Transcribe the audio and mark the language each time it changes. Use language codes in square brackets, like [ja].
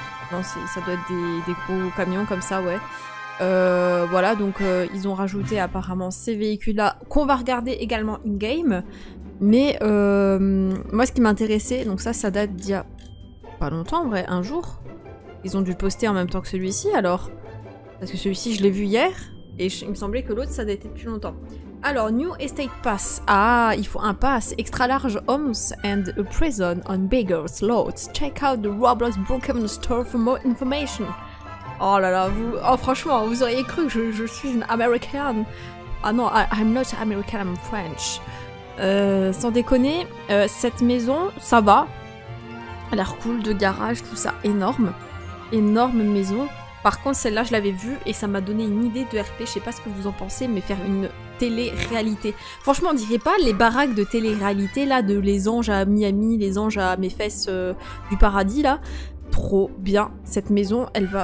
[fr] Non, ça doit être des gros camions comme ça, ouais. Voilà, donc ils ont rajouté apparemment ces véhicules-là qu'on va regarder également in-game. Mais moi, ce qui m'intéressait, donc ça date d'il y a pas longtemps en vrai, un jour. Ils ont dû poster en même temps que celui-ci alors. Parce que celui-ci, je l'ai vu hier et il me semblait que l'autre, ça datait depuis longtemps. Alors, New Estate Pass. Ah, il faut un pass. [en] Extra large homes and a prison on bigger slots. Check out the Roblox Brookhaven store for more information. [fr] Oh là là, vous... Oh, franchement, vous auriez cru que je suis une American. Ah non, [en] I'm not American, I'm French. [fr] Sans déconner, cette maison, ça va. Elle a l'air cool de garage, tout ça. Énorme. Énorme maison. Par contre, celle-là, je l'avais vue et ça m'a donné une idée de RP. Je sais pas ce que vous en pensez, mais faire une... télé-réalité. Franchement, on dirait pas les baraques de télé-réalité, là, de les anges à Miami, les anges à mes fesses du paradis, là. Trop bien. Cette maison, elle va...